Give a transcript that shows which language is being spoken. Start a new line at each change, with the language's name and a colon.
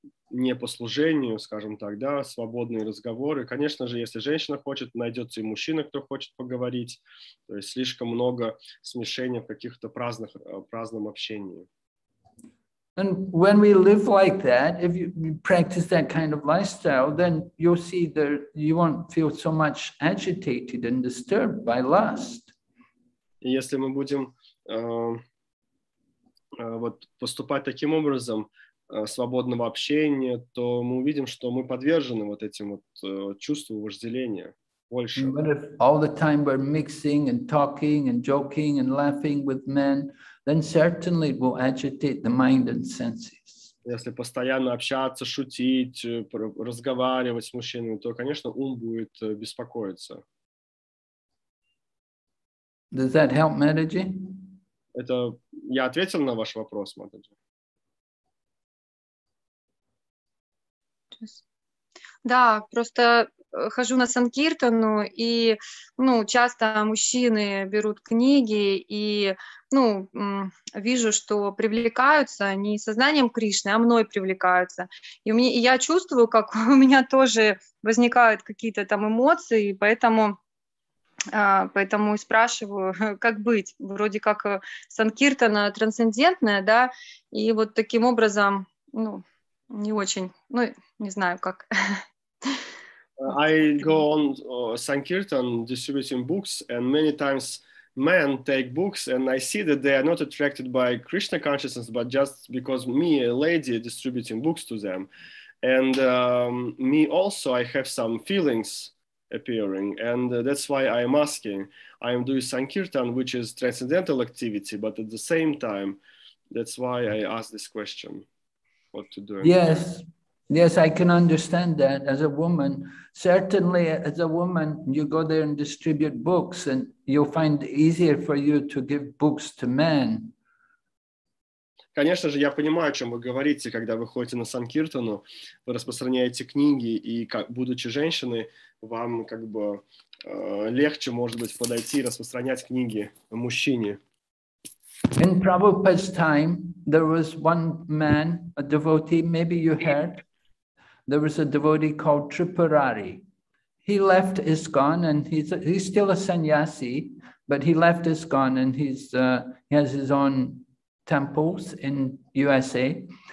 Russian: Не по служению, скажем так, да, свободные разговоры. Конечно же, если женщина хочет, найдется и мужчина, кто хочет поговорить. То есть слишком много смешения в каких-то праздном общении.
English: And when we live like that, if you practice that kind of lifestyle, then you'll see that you won't feel so much agitated and disturbed by lust.
Russian: И если мы будем вот поступать таким образом, свободного общения, то мы увидим, что мы подвержены вот этим вот чувству вожделения больше.
English: But if all the time we're mixing and talking and joking and laughing with men, then certainly it will agitate the mind and senses.
Russian: Если постоянно общаться, шутить, разговаривать с мужчинами, то, конечно, ум будет беспокоиться.
English: Does that help, Mataji?
Russian: Это я ответил на ваш вопрос, Mataji? Да, просто хожу на санкиртану, и ну, часто мужчины берут книги, и ну, вижу, что привлекаются не сознанием Кришны, а мной привлекаются. И, мне, и я чувствую, как у меня тоже возникают какие-то там эмоции, поэтому и спрашиваю, как быть. Вроде как санкиртана трансцендентная, да, и вот таким образом, ну, не очень, ну, не знаю как.
English: I go on Sankirtan distributing books, and many times men take books, and I see that they are not attracted by Krishna consciousness, but just because me, a lady, distributing books to them. And me also, I have some feelings appearing, and that's why I am asking. I am doing Sankirtan, which is transcendental activity, but at the same time, that's why I ask this question. Yes, yes, I can understand that as a woman. Certainly, as a woman, you go there and distribute books, and you'll find it easier for you to give books to men.
Russian: Конечно же, я понимаю, о чем вы говорите, когда вы ходите на санкиртану, вы распространяете книги, и, как, будучи женщиной, вам как бы легче, может быть, подойти и распространять книги мужчине.
English: In Prabhupada's time, there was one man, a devotee, maybe you heard, there was a devotee called Tripurari. He left ISKCON, and he's still a sannyasi, but he left ISKCON, and he has his own temples in USA.